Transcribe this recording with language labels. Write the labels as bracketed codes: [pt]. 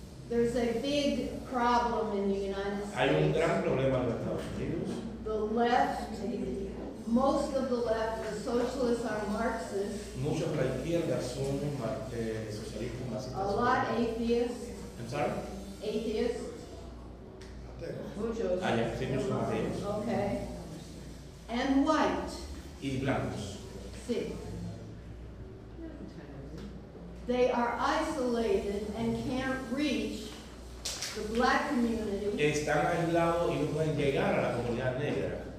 [en] There's a big problem in the United States. [es] Hay un gran problema en los Estados Unidos. [en] The left, most of the left, the socialists are Marxists. [es] Muchos de la izquierda son socialistas más. [en] A lot atheists. I'm sorry? Atheists. Okay. And white. [es] Y blancos. Sí. [en] They are isolated and can't reach the black community. [es] Están aislados y no pueden llegar a la comunidad negra.